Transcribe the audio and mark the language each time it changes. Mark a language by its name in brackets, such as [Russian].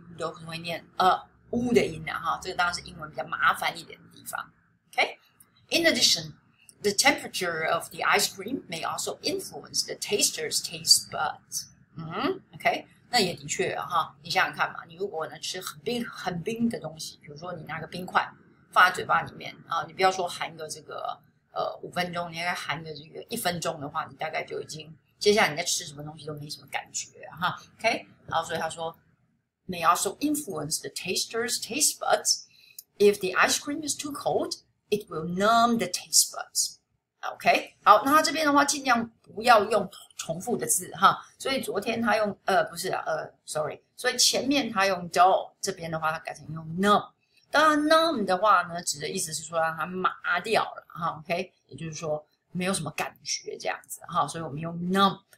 [Chinese] 都会念乌的音啊，哈，这个当然是英文比较麻烦一点的地方。 [English] Okay? In addition, the temperature of the ice cream may also influence the taster's taste buds. Okay? [Chinese] 那也的确啊，哈，你想想看嘛，你如果呢吃很冰很冰的东西，比如说你拿个冰块放在嘴巴里面啊，你不要说含个这个五分钟，你应该含个这个一分钟的话，你大概就已经接下来你在吃什么东西都没什么感觉啊，哈。 [English] Okay? [Chinese] 然后所以他说。 [English] May also influence the taster's taste buds. If the ice cream is too cold, it will numb the taste buds. [Chinese] Okay, 好，那他这边的话尽量不要用重复的字哈。所以昨天他用不是啊sorry. 所以前面他用 dull， 这边的话他改成用 numb。当然 numb 的话呢，指的意思是说让它麻掉了哈。 Okay， 也就是说没有什么感觉这样子哈。所以我们用 numb。